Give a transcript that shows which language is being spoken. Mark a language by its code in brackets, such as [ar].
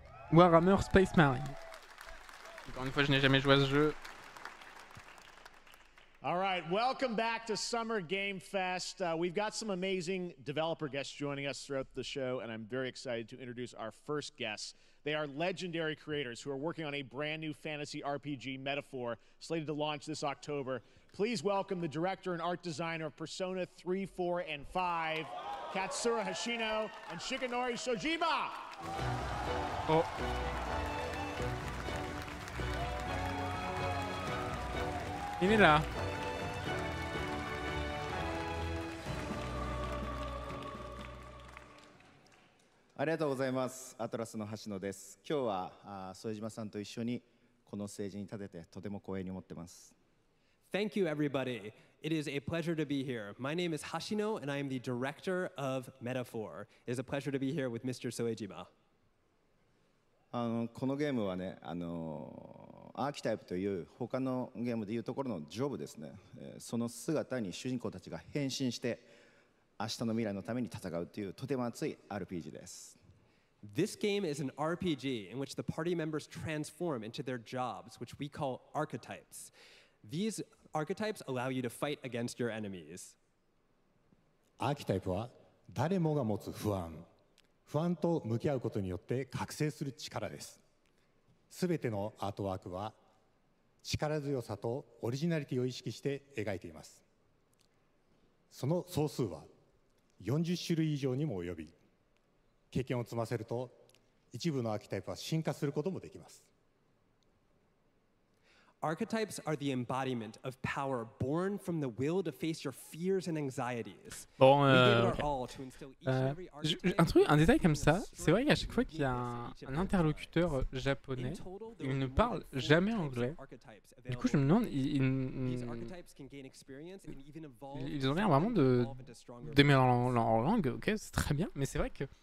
[fr] Warhammer Space Marine. Encore une fois, je n'ai jamais joué à ce jeu. [en] All right, welcome back to Summer Game Fest. We've got some amazing developer guests joining us throughout the show, and I'm very excited to introduce our first guests. They are legendary creators who are working on a brand new fantasy RPG Metaphor slated to launch this October. Please welcome the director and art designer of Persona 3, 4, and 5, Katsura Hoshino and Shigenori Shojima. Oh. [fr] Il est là. [ja] ありがとうございます。アトラスの橋野です。今日は、副島さんと一緒にこのステージに立ててとても光栄に思ってます。 [en] Thank you, everybody. It is a pleasure to be here. My name is Hashino, and I am the director of Metaphor. It is a pleasure to be here with Mr. Soejima. [ja] このゲームはね、アーキタイプという他のゲームでいうところのジョブですね。その姿に主人公たちが変身して、明日の未来のために戦うというとても熱い RPG です。 This game is an RPG in which the party members transform into their jobs, which we call archetypes. These archetypes allow you to fight against your enemies. アーキタイプは誰もが持つ不安。不安と向き合うことによって覚醒する力です。すべてのアートワークは力強さとオリジナリティを意識して描いています。その総数は40種類以上にも及び、経験を積ませると一部のアーキタイプは進化することもできます。 [en] Archetypes are the embodiment of power born from the will to face your fears and anxieties. [fr] Bon, un détail comme ça, c'est vrai qu'à chaque fois qu'il y a un interlocuteur japonais, il ne parle jamais anglais. Du coup, je me demande, ils ont l'air vraiment de démêler leur langue, ok, c'est très bien, mais c'est vrai que